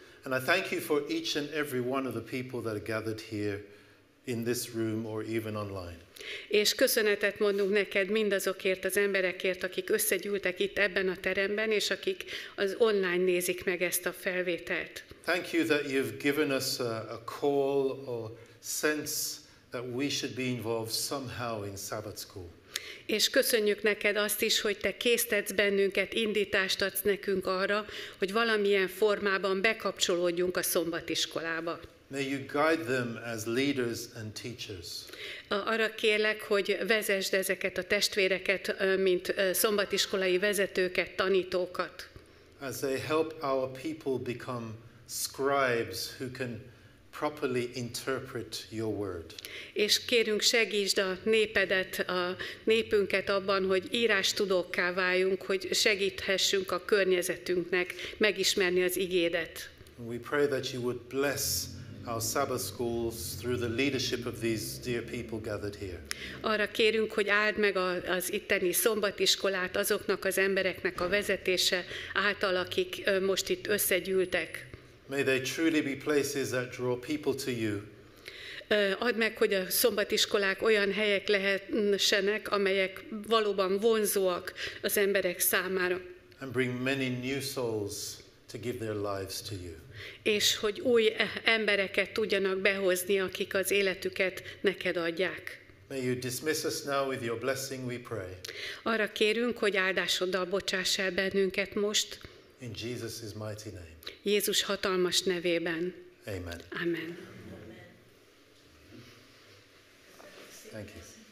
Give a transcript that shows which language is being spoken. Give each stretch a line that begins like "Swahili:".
English: And I thank you for each and every one of the people that are gathered here in this room or even online.
Hungarian: És köszönetet mondunk neked mindazokért az emberekért, akik összegyűltek itt ebben a teremben, és akik az online nézik meg ezt a felvételt.
English: Thank you that you've given us a call or sense that we should be involved somehow in Sabbath school.
Hungarian: És köszönjük neked azt is, hogy te késztetsz bennünket, indítást adsz nekünk arra, hogy valamilyen formában bekapcsolódjunk a szombatiskolába.
English: May you guide them as leaders and teachers.
Hungarian: Arra kérlek, hogy vezesd ezeket a testvéreket, mint szombatiskolai vezetőket, tanítókat.
English: As they help our people become scribes who can properly interpret your word.
Hungarian: És kérünk, segítsd a népedet, a népünket abban, hogy írástudókká váljunk, hogy segíthessünk a környezetünknek megismerni az igédet.
English: We pray that you would bless our Sabbath schools through the leadership of these dear people gathered here.
Hungarian: Arra kérünk, hogy áld meg az itteni szombatiskolát azoknak az embereknek a vezetése által, akik most itt összegyűltek.
English: May they truly be places that draw people to you.
Hungarian: Add meg, hogy a szombatiskolák olyan helyek lehessenek, amelyek valóban vonzóak az emberek számára.
English: And bring many new souls to give their lives to you.
Hungarian: És hogy új embereket tudjanak behozni, akik az életüket neked adják.
English: May you dismiss us now with your blessing, we pray.
Hungarian: Arra kérünk, hogy áldásoddal bocsáss el bennünket most.
English: In Jesus' mighty name.
Hungarian: Jézus hatalmas nevében.
English: Amen.
Hungarian: Amen.
English: Thank you.